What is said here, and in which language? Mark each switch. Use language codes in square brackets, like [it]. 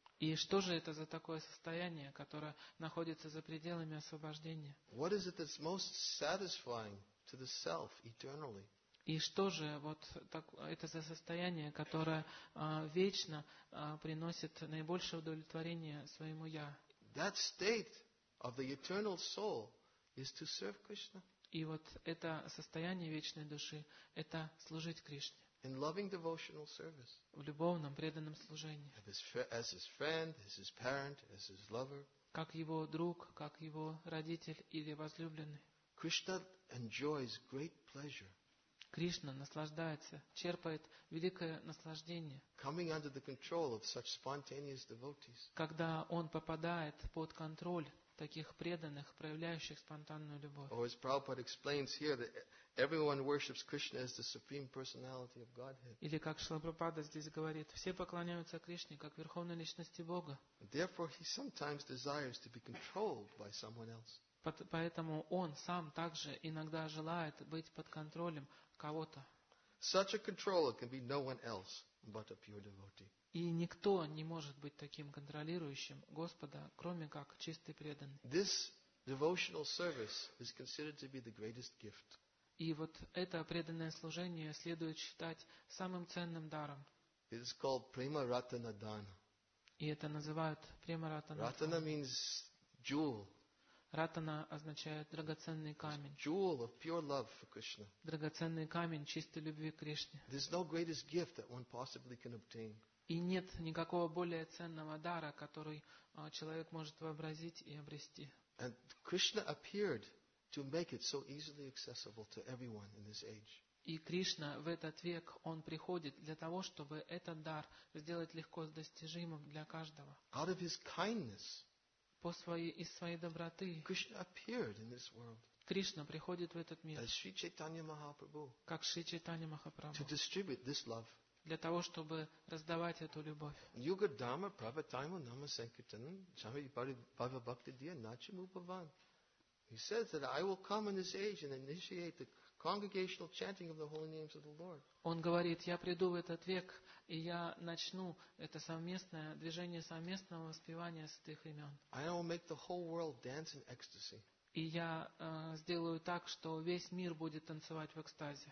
[ru] И что же это за такое состояние, которое находится за пределами освобождения? [en] What is it that's most satisfying to the self eternally? [ru] И что же вот так, это за состояние, которое вечно приносит наибольшее удовлетворение своему «я»? [en] That state of the eternal soul is to serve Krishna. [ru] И вот это состояние вечной души – это служить Кришне. [en] In loving devotional service. [ru] В любовном преданном служении. [en] As his friend, as his parent, as his lover. [ru] Как его друг, как его родитель или возлюбленный. [en] Krishna enjoys great pleasure. [ru] Кришна наслаждается, черпает великое наслаждение. [en] Coming under the control of such spontaneous devotees. [ru] Когда он попадает под контроль таких преданных, проявляющих спонтанную любовь. [en] Or as Prabhupada explains here, that everyone worships Krishna as the Supreme Personality of Godhead. [ru] Или как Шрила Прабхупада здесь говорит, все поклоняются Кришне как Верховной Личности Бога. [en] Therefore, he sometimes desires to be controlled by someone else. [ru] Поэтому он сам также иногда желает быть под контролем кого-то. [en] Such a controller can be no one else but a pure devotee. [ru] И никто не может быть таким контролирующим Господа, кроме как чистый преданный. [en] This devotional service is considered to be the greatest gift. [ru] И вот это преданное служение следует считать самым ценным даром. [en] It is called Prema Ratana Dana. [ru] И это называют Prema Ratana. [en] Ratana means jewel. [ru] Ратана означает драгоценный камень. [en] Jewel of pure love for Krishna. [ru] Драгоценный камень чистой любви к Кришне. [en] There is no greatest gift that one possibly can obtain. [ru] И нет никакого более ценного дара, который человек может вообразить и обрести. [en] And Krishna appeared to make it so easily accessible to everyone in this age. [ru] И Кришна в этот век, Он приходит для того, чтобы этот дар сделать легко достижимым для каждого. [en] Out of His kindness, [ru] по своей, из своей доброты, [en] Krishna appeared in this world. [ru] Кришна приходит в этот мир, [en] as Sri Chaitanya Mahaprabhu, [ru] как Шри Чайтанья Махапрабху, [en] to distribute this love. [ru] Для того, чтобы раздавать эту любовь. [sa] Юга Дама Праватайма Нама Санкитана Чами Бхава Бхакти Дия Начи Мупаван. [en] He says that I will come in this age and initiate the congregational chanting of the holy names of the Lord. [ru] Он говорит, я приду в этот век, и я начну это совместное движение совместного воспевания святых имен. [en] I will make the whole world dance in ecstasy. [ru] И я сделаю так, что весь мир будет танцевать в экстазе.